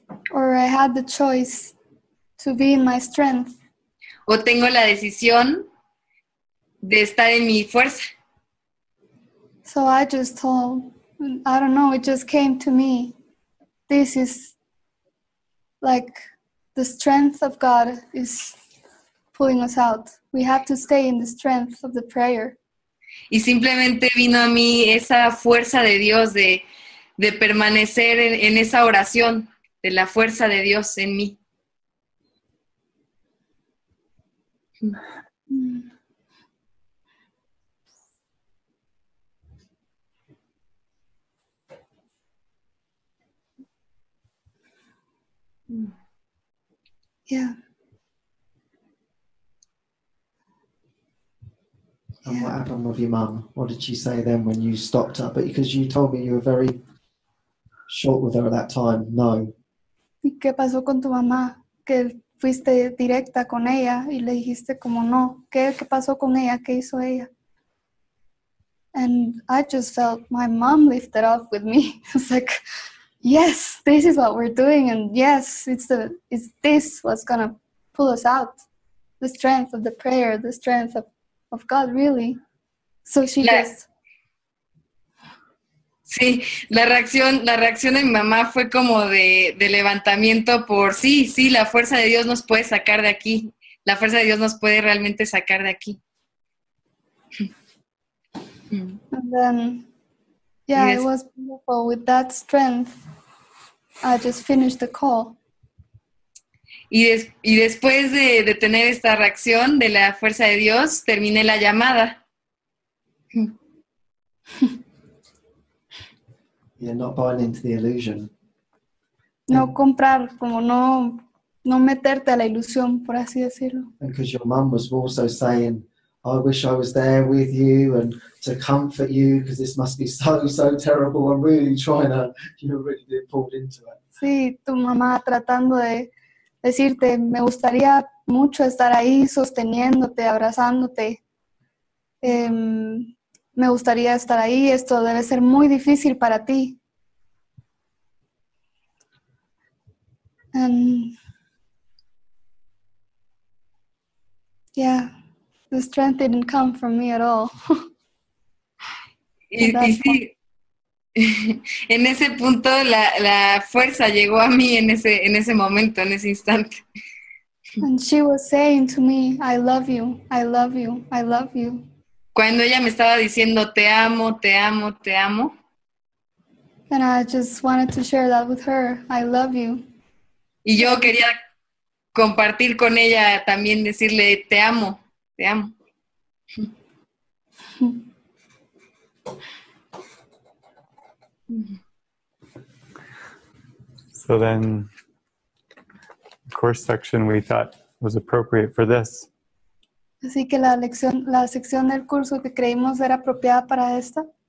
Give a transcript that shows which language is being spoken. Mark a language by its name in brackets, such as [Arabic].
[English] Or I had the choice to be in my strength. [Spanish] O tengo la decisión de estar en mi fuerza. [English] So I just told, I don't know, it just came to me. This is like the strength of God is pulling us out. We have to stay in the strength of the prayer. [Spanish] Y simplemente vino a mí esa fuerza de Dios de permanecer en esa oración, de la fuerza de Dios en mí. [English] Yeah. And what happened with your mom? What did she say then when you stopped her? Because you told me you were very short with her at that time. No. [Spanish] ¿Y qué pasó con tu mamá? Que fuiste directa con ella y le dijiste como no. ¿Qué pasó con ella? ¿Qué hizo ella? [English] And I just felt my mom lifted up with me. It's like, yes, this is what we're doing, and yes, it's this what's gonna pull us out, the strength of the prayer, the strength of God, really. So she just. [Spanish] Sí, la reacción de mi mamá fue como de levantamiento por sí, la fuerza de Dios nos puede sacar de aquí, la fuerza de Dios nos puede realmente sacar de aquí. [English] And then, yeah, yes. It was beautiful with that strength. I just finished the call. [Spanish] Y después de tener esta reacción de la fuerza de Dios, terminé la llamada. [English] Yeah, not buying into the illusion. [Spanish] No comprar, como no, no meterte a la ilusión, por así decirlo. [English] Because your mum was also saying, I wish I was there with you and to comfort you, because this must be so, so terrible. I'm really trying to, you're really being pulled into it. [Spanish] Sí, tu mamá tratando de decirte, me gustaría mucho estar ahí sosteniéndote, abrazándote. Me gustaría estar ahí, esto debe ser muy difícil para ti. [English] Yeah, the strength didn't come from me at all. [Spanish] Y sí, en ese punto la fuerza llegó a mí en ese momento, en ese instante. [English] And she was saying to me, I love you, I love you, I love you. [Spanish] Cuando ella me estaba diciendo, te amo, te amo, te amo. [English] And I just wanted to share that with her, I love you. [Spanish] Y yo quería compartir con ella también, decirle, te amo, te amo. [English] So then, the course section we thought was appropriate for this. [Spanish] Así que la sección del curso que creímos era apropiada para esta.